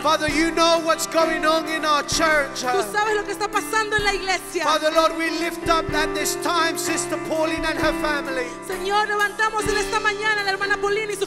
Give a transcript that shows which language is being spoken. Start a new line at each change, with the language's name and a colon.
English: Father, you know what's going on in our church.
Spanish: Tú sabes lo que está pasando en la iglesia.
English: Father, Lord, we lift up at this time Sister Pauline and her family.
Spanish: Señor, levantamos en esta mañana la hermana Pauline y su